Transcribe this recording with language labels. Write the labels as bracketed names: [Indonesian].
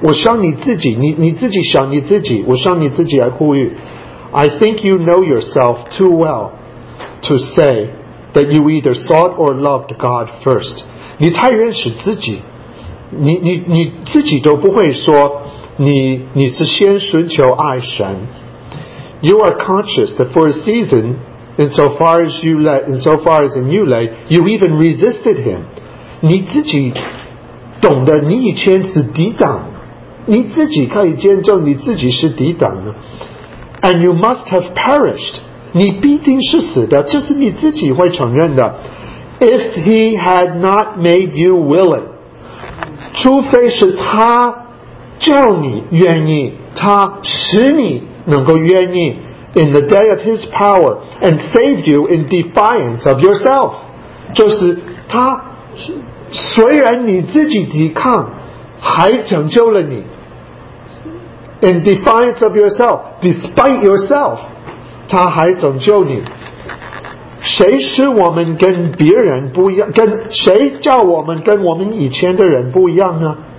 [Chinese] 我向你自己，你自己想你自己，我向你自己来呼吁。 [English] I think you know yourself too well to say that you either sought or loved God first. [Chinese] 你太认识自己，你自己都不会说你是先寻求爱神。 [English] You are conscious that for a season, insofar as in you lay, you even resisted him. [Chinese] 你自己懂得你以前是抵挡，你自己可以见证你自己是抵挡的。 [English] And you must have perished. [Chinese] 你必定是死的，这是你自己会承认的。 [English] If he had not made you willing, [Chinese] 除非是他叫你愿意，他使你能够愿意 [English] in the day of his power and saved you in defiance of yourself. [Chinese] 就是他虽然你自己抵抗还拯救了你。 [English] In defiance of yourself, despite yourself, [Chinese] 他还拯救你。谁使我们跟别人不一样？跟谁叫我们跟我们以前的人不一样呢？